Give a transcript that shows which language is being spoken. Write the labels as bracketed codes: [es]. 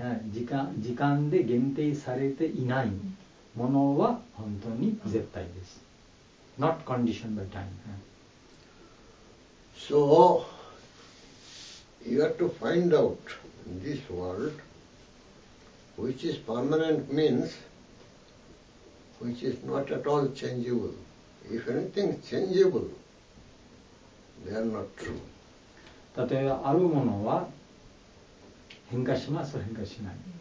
[ja] 時間で限定されていないものは本当に絶対です。 [en] Not conditioned by time. So, you have to find out in this world which is permanent means which is not at all changeable. If anything is changeable, they are not true. [ja] 例えばあるものは変化します、変化しない。